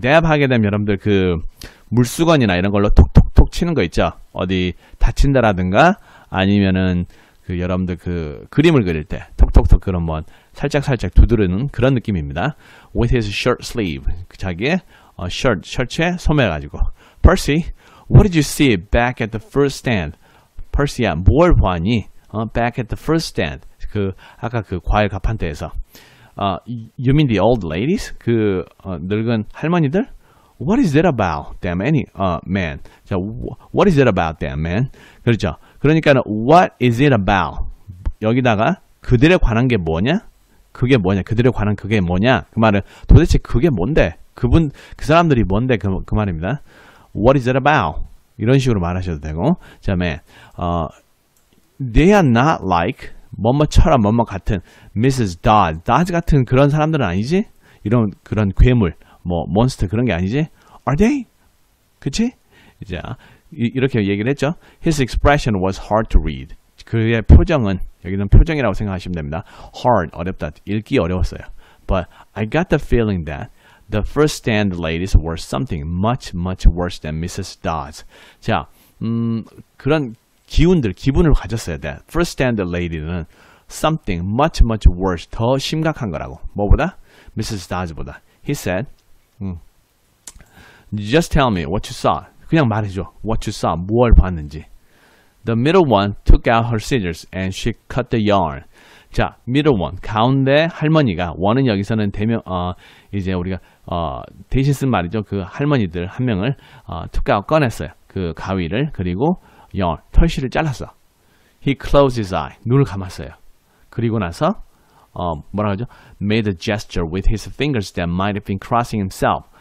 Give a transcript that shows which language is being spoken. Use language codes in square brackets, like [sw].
[ko] dab 하게 되면 여러분들 그 물수건이나 이런 걸로 톡톡톡 치는 거 있죠? 어디 다친다라든가 아니면은 그 여러분들 그 그림을 그릴 때 톡톡톡 그런 뭐 살짝살짝 두드리는 그런 느낌입니다. [en] with his shirt sleeve. [ko] 자기의 셔츠에 소매 가지고. [en] Percy, what did you see back at the first stand? Percy야, [ko] 뭘 보았니? [en] back at the first stand. [ko] 그 아까 그 과일 가판대에서. [en] You mean the old ladies? [ko] 그 늙은 할머니들? [en] What is it about them, man? 자, what is it about them, man? [ko] 그렇죠. [en] 그러니까 what is it about? [ko] 여기다가 그들에 관한 게 뭐냐? 그게 뭐냐? 그들에 관한 그게 뭐냐? 그 말은 도대체 그게 뭔데? 그 사람들이 뭔데? 그 말입니다. [en] What is it about? [ko] 이런 식으로 말하셔도 되고. [en] 자, man. They are not like [ko] 뭐뭐처럼 뭐뭐 같은 [en] Mrs. [ko] Dodd, Dodd 같은 그런 사람들은 아니지? 이런 그런 괴물, 뭐 몬스터 그런 게 아니지? [en] Are they? [ko] 그치? 이제 이렇게 얘기를 했죠. [en] His expression was hard to read. [ko] 그의 표정은 여기는 표정이라고 생각하시면 됩니다. Hard, 어렵다, 읽기 어려웠어요. [en] But I got the feeling that the first stand ladies were something much, much worse than Mrs. Dodd. [ko] 자, 그런 기운들, 기분을 가졌어요. [en] That first stand lady는 something much, much worse, [ko] 더 심각한 거라고. 뭐보다? [en] Mrs. Dodge보다. He said, just tell me what you saw. [ko] 그냥 말해줘. [en] What you saw, [ko] 뭘 봤는지. [en] The middle one took out her scissors and she cut the yarn. [ko] 자, middle one, 가운데 할머니가, one은 여기서는 대명, 이제 우리가 대신 쓴 말이죠. 그 할머니들 한 명을 took out, 꺼냈어요. 그 가위를, 그리고 yarn, 털실을 잘랐어. [en] He closed his eye, [ko] 눈을 감았어요. 그리고 나서 뭐라고 하죠? [en] Made a gesture with his fingers that might have been crossing himself.